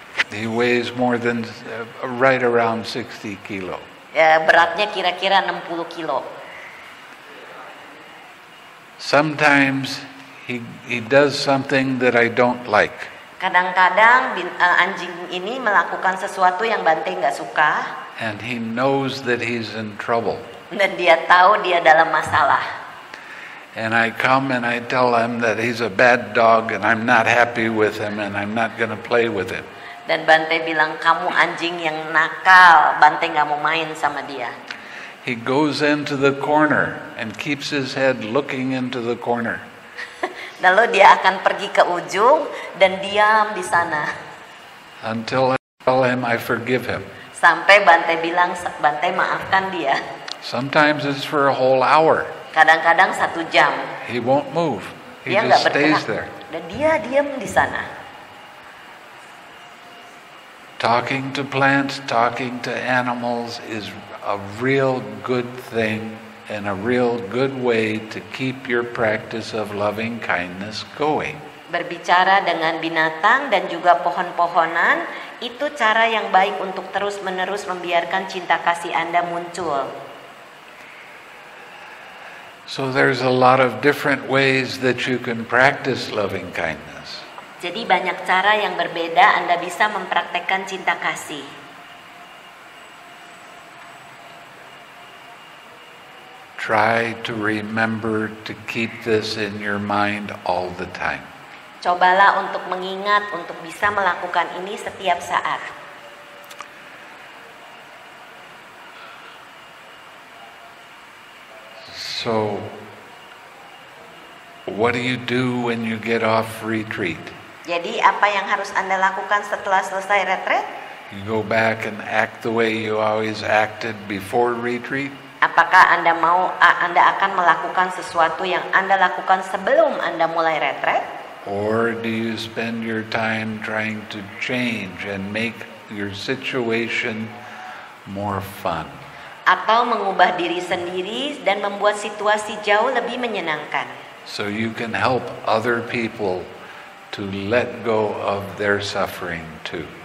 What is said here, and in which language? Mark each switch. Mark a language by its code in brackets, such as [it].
[en] He weighs more than right around 60 kilo. [id] Beratnya kira-kira 60 kilo. [en] Sometimes he does something that I don't like. [id] Kadang-kadang anjing ini melakukan sesuatu yang Bante enggak suka. [en] And he knows that he's in trouble. [id] Dan dia tahu dia dalam masalah. [en] And I come and I tell him that he's a bad dog and I'm not happy with him and I'm not going to play with him. [id] Dan Bante bilang, kamu anjing yang nakal, Bante gak mau main sama dia. [en] He goes into the corner and keeps his head looking into the corner. [id] Lalu dia akan pergi ke ujung dan diam di sana. [en] Until I tell him I forgive him. [id] Sampai Bante bilang, Bante maafkan dia. [en] Sometimes it's for a whole hour. [id] Kadang-kadang satu jam. [en] He won't move. He [id] dia [en] just [id] bergerak, [en] stays there. [id] Dan dia diam di sana. [en] Talking to plants, talking to animals is a real good thing and a real good way to keep your practice of loving kindness going. [id] Berbicara dengan binatang dan juga pohon-pohonan itu cara yang baik untuk terus-menerus membiarkan cinta kasih Anda muncul. [en] So there's a lot of different ways that you can practice loving kindness. [id] Jadi banyak cara yang berbeda Anda bisa mempraktikkan cinta kasih. [en] Try to remember to keep this in your mind all the time. [id] Cobalah untuk mengingat untuk bisa melakukan ini setiap saat. [en] So, what do you do when you get off retreat? [id] Jadi apa yang harus Anda lakukan setelah selesai retreat? [en] You go back and act the way you always acted before retreat. [id] Apakah Anda mau Anda akan melakukan sesuatu yang Anda lakukan sebelum Anda mulai retreat? [en] Or do you spend your time trying to change and make your situation more fun? [id] Atau mengubah diri sendiri dan membuat situasi jauh lebih menyenangkan. [en] So you can help other people to let go of their suffering too.